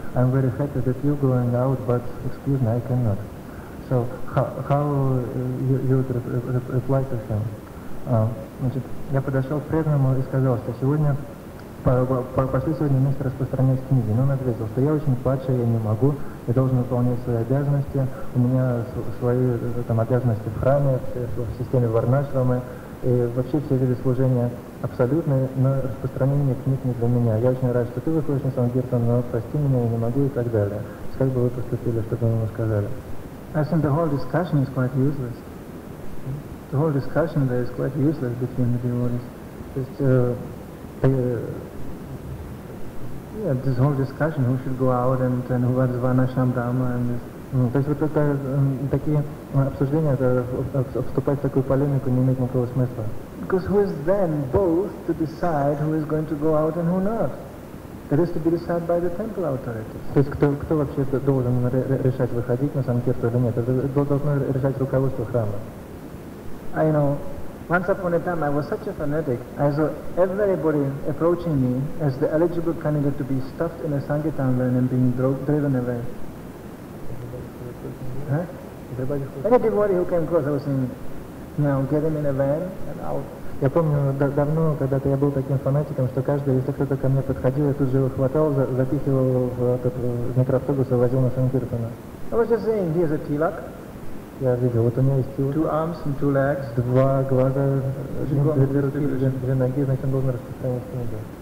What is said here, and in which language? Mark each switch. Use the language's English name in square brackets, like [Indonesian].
[English] I'm very happy that you're going out, but excuse me, I cannot. So how you would reply to him? [Russian] Значит, я подошел к преданному и сказал, что сегодня пошли сегодня вместе распространять книги. Но он ответил, что я очень плачу, я не могу, я должен выполнять свои обязанности. У меня свои там обязанности в храме, в системе Варнашрамы. И вообще все виды служения абсолютные, но распространение книг не для меня. Я очень рад, что ты выходишь на Сангиртан, но прости меня, я не могу и так далее. Как бы вы поступили, что бы вы ему сказали? [English] I think the whole discussion is quite useless. The whole discussion there is quite useless between the devotees. Just, yeah, this whole discussion, who should go out and who was Varnashram Dhamma and this. [Russian] То есть вот это такие обсуждения, это вступать в такую полемику не имеет никакого смысла. [English] Because who is then both to decide who is going to go out and who not? That is to be decided by the temple authorities. [Russian] То есть кто вообще должен решать выходить на санкирту или нет? Это должно решать руководство храма. [English] I know. Once upon a time I was such a fanatic. I saw everybody approaching me as the eligible candidate to be stuffed in a sankirtan van and being driven away. Huh? Any devotee who came close, I was saying, now get him in a van and out. [Russian] Я помню давно, когда-то я был таким фанатиком, что каждый, если кто-то ко мне подходил, я тут же его хватал, запихивал в этот микроавтобус и возил на санкиртана. [English] I was just saying, here's a tilak. [Russian] Я видел, вот у него есть тилак. [English] Two arms and two legs. [Russian] Два глаза, две руки, две ноги, значит, он должен распространять книгу.